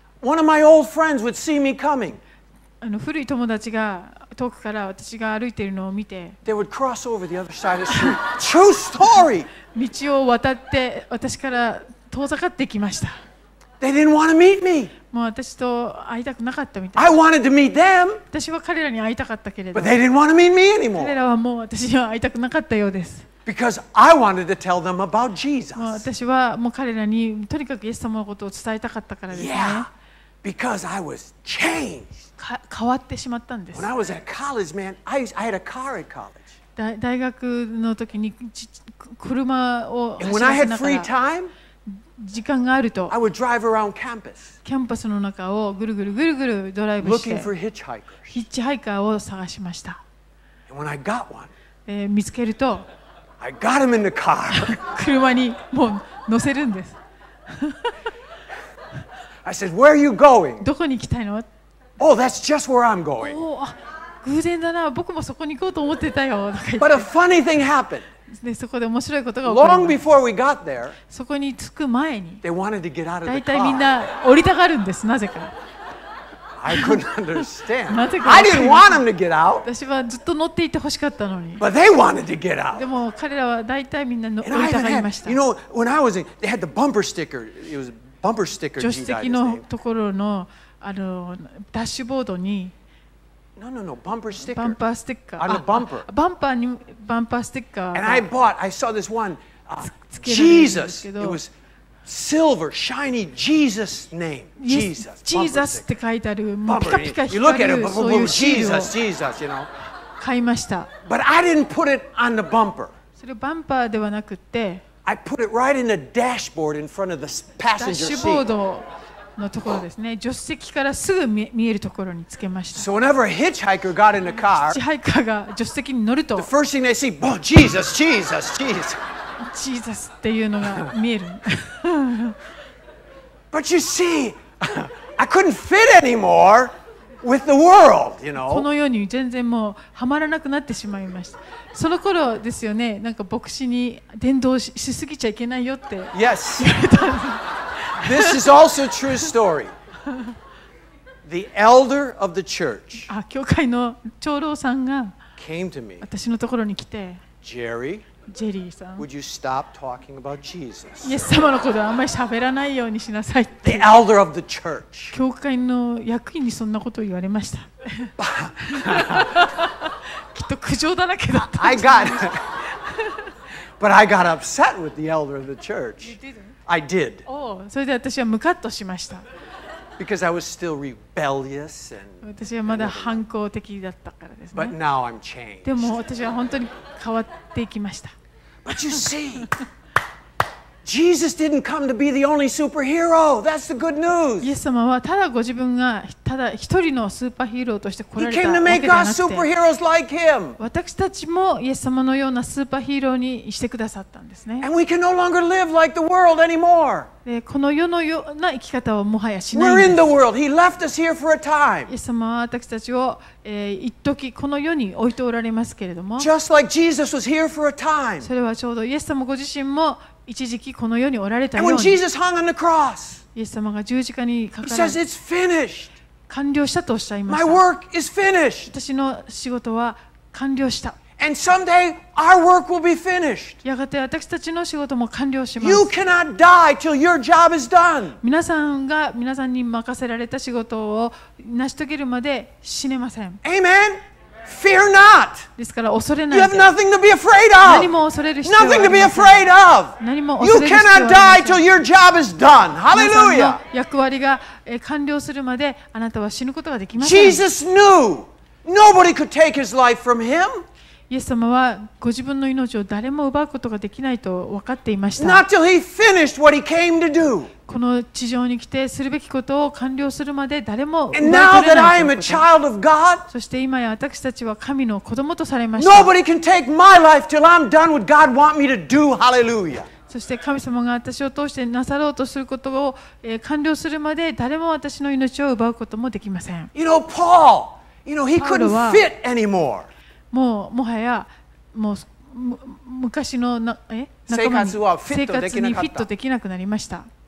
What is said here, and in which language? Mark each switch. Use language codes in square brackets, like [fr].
[en] One of my old friends would see me coming. [ja] 古い友達が遠くから私が歩いているのを見て、 [en] They would cross over the other side of the street. True story. [ja] 道を渡って私から遠ざかってきました。 [en] They didn't want to meet me. [ja] もう私と会いたくなかったみたいな。 [en] I wanted to meet them. [ja] 私は彼らに会いたかったけれど、 [en] But they didn't want to meet me anymore. [ja] 彼らはもう私には会いたくなかったようです。 [en] Because I wanted to tell them about Jesus. [ja] もう私はもう彼らにとにかくイエス様のことを伝えたかったからですね。 [en] Yeah. Because I was changed. [ja] 変わってしまったんです。 [en] When I was at college, man, I had a car at college. [ja] 大学の時に車を走らせながら、 [en] And when I had free time, [ja] 時間があると、 [en] I would drive around campus. [ja] キャンパスの中をぐるぐるぐるぐるドライブして、 [en] Looking for hitchhikers. [ja] ヒッチハイカーを探しました。 [en] And when I got one, [ja] 見つけると、 [en] I got him in the car. [ja] 車にもう乗せるんです。 [en] I said, "Where are you going?" [ja] どこに行きたいの? [en] Oh, that's just where I'm going. [ja] Oh, 偶然だな。僕もそこに行こうと思ってたよ。 [en] But a funny thing happened. [ja] で、そこで面白いことが起こる。 [en] Long before we got there, [ja] そこに着く前に、 [en] they wanted to get out of the car. [ja] だいたいみんな降りたがるんです。なぜか。 [en] I couldn't understand. [ja] なぜか。 [en] I didn't want them to get out. [ja] 私はずっと乗っていてほしかったのに。 [en] But they wanted to get out. [ja] でも彼らはだいたいみんな降りたがりました。 [en] You know, when I was in, they had the bumper sticker. It was Bumper sticker, [ja] 助手席のところの、ダッシュボードに、 [en] no, no, no. Bumper sticker. [ja] バンパースティッカー、あ、bumper. バンパーにバンパースティッカー、 [en] And I bought, I saw this one, Jesus. It was silver, shiny Jesus name. Jesus. [ja] Jesus って書いてある、ピカピカ光る、 [en] You look at it, boom, boom, boom, Jesus, Jesus, you know. [ja] 買いました。 [en] But I didn't put it on the bumper. [ja] それバンパーではなくて、 [en] I put it right in the dashboard in front of the passenger seat. [ja] ダッシュボードのところですね。助手席からすぐ見えるところにつけました。 [en] So whenever a hitchhiker got in the car, [ja] ヒッチハイカーが助手席に乗ると、 [en] the first thing they see, oh, Jesus, Jesus, Jesus. [ja] Jesus っていうのが見える。 [en] But you see, I couldn't fit anymore with the world, you know. [ja] この世に全然もうはまらなくなってしまいました。その頃ですよね、なんか牧師に伝道しすぎちゃいけないよって言われたんです。 [en] This is also a true story. The elder of the church [ja] 教会の長老さんが [en] came to me. [ja] 私のところに来て、 [en] Jerry, [ja] ジェリーさん。 [en] Would you stop talking about Jesus? [ja] イエス様のことはあんまり喋らないようにしなさいって。 [en] The elder of the church. [ja] 教会の役員にそんなことを言われました。きっと苦情だらけだった。 [en] I got. But I got upset with the elder of the church. You didn't? I did. [ja] Oh, それで私はムカッとしました。 [en] Because I was still rebellious and [ja] 私はまだ反抗的だったからですね。 [en] But now I'm changed. [ja] でも私は本当に変わっていきました。 [en] But you see, Jesus didn't come to be the only superhero. That's the good news. [ja] イエス様はただご自分がただ一人のスーパーヒーローとして来られたわけではなくて、 [en] He came to make us superheroes like him. [ja] 私たちもイエス様のようなスーパーヒーローにしてくださったんですね。 [en] And we can no longer live like the world anymore. [ja] この世のような生き方はもはやしないんです。 [en] We're in the world. He left us here for a time. [ja] イエス様は私たちを、一時この世に置いておられますけれども、 [en] Just like Jesus was here for a time. [ja] それはちょうどイエス様ご自身も一時期この世におられたように。 [en] And when Jesus hung on the cross, [ja] イエス様が十字架にかかられ、 [en] He says it's finished. [ja] 完了したとおっしゃいました。 [en] My work is finished. [ja] 私の仕事は完了した。 [en] And someday our work will be finished. [ja] やがて私たちの仕事も完了します。 [en] You cannot die till your job is done. [ja] 皆さんが皆さんに任せられた仕事を成し遂げるまで死ねません。 [en] Amen. Fear not. [ja] ですから恐れないで。 [en] You have nothing to be afraid of. [ja] 何も恐れる必要はない。 [en] Nothing to be afraid of. [ja] 何も恐れる必要はない。 [en] You cannot die till your job is done. Hallelujah. [ja] 皆さんの役割が完了するまであなたは死ぬことができません。 [en] Jesus knew nobody could take his life from him. [ja] イエス様はご自分の命を誰も奪うことができないと分かっていました。 [en] Not till he finished what he came to do. [ja] この地上に来てするべきことを完了するまで誰も奪えない。 [en] And now that I am a child of God, [ja] そして今や私たちは神の子供とされました。 [en] Nobody can take my life till I'm done what God wants me to do. Hallelujah. [ja] そして神様が私を通してなさろうとすることを、完了するまで誰も私の命を奪うこともできません。 [en] You know, Paul, you know, he couldn't fit anymore. [ja] もうもはやもう昔のな仲間に生活にフィットできなくなりました。